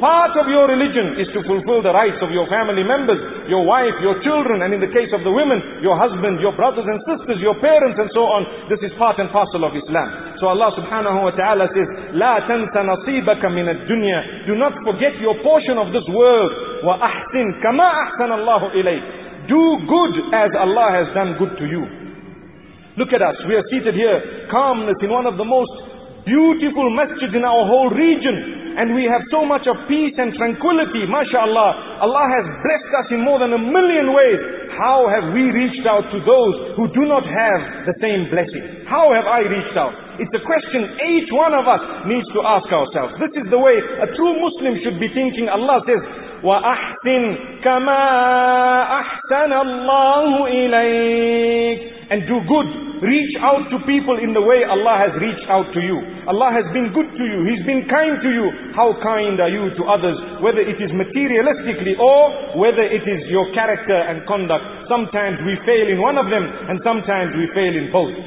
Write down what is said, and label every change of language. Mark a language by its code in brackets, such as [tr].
[en] Part of your religion is to fulfill the rights of your family members, your wife, your children, and in the case of the women, your husband, your brothers and sisters, your parents and so on. This is part and parcel of Islam. So Allah subhanahu wa ta'ala says, [ar] لا تنس نصيبك من الدنيا. [en] Do not forget your portion of this world. [ar] وأحسن كما أحسن الله إليك. [en] Do good as Allah has done good to you. Look at us, we are seated here, calmness in one of the most beautiful masjids in our whole region. And we have so much of peace and tranquility, mashallah. Allah has blessed us in more than a million ways. How have we reached out to those who do not have the same blessing? How have I reached out? It's a question each one of us needs to ask ourselves. This is the way a true Muslim should be thinking. Allah says, [ar] وَأَحْسِنْ كَمَا أَحْسَنَ اللَّهُ إِلَيْكَ. [en] And do good. Reach out to people in the way Allah has reached out to you. Allah has been good to you. He's been kind to you. How kind are you to others? Whether it is materialistically or whether it is your character and conduct. Sometimes we fail in one of them and sometimes we fail in both.